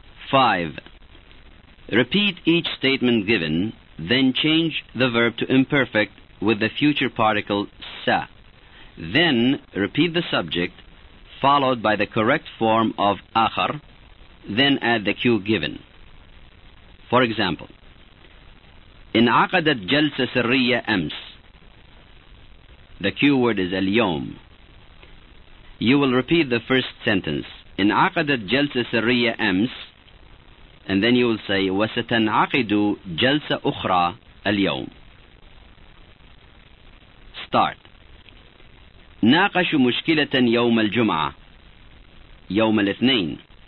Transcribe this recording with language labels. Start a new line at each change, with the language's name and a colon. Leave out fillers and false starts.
English: 5. Repeat each statement given, then change the verb to imperfect with the future particle sa. Then repeat the subject followed by the correct form of akhar, then add the cue given. For example,
Arabic: انعقدت جلسة سرية أمس.
English: The cue word is اليوم. You will repeat the first sentence.
Arabic: انعقدت جلسة سرية أمس.
English: And then you will say
Arabic: وستنعقد جلسة أخرى اليوم.
English: Start.
Arabic: ناقش مشكلة يوم الجمعة يوم الاثنين.